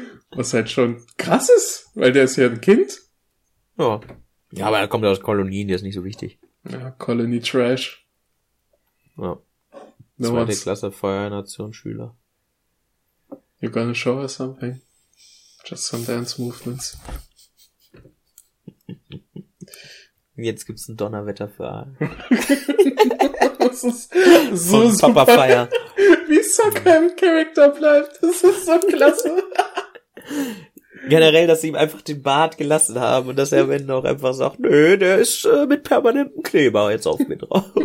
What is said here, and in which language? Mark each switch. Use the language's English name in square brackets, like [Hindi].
[German] Was halt schon krass ist, weil der ist ja ein Kind. Ja. Ja, aber er kommt aus Kolonien, der ist nicht so wichtig. Ja, Colony Trash. Ja. Zweite Klasse Feuernation Schüler. [English] You're gonna show us something. Just some dance movements. [German] Jetzt gibt's ein Donnerwetter für alle. Das ist so von super. Papa Fire. Wie Sokka im Charakter bleibt. Das ist so klasse. Generell, dass sie ihm einfach den Bart gelassen haben und dass er am Ende auch einfach sagt, nö, der ist mit permanentem Kleber jetzt auf mir drauf.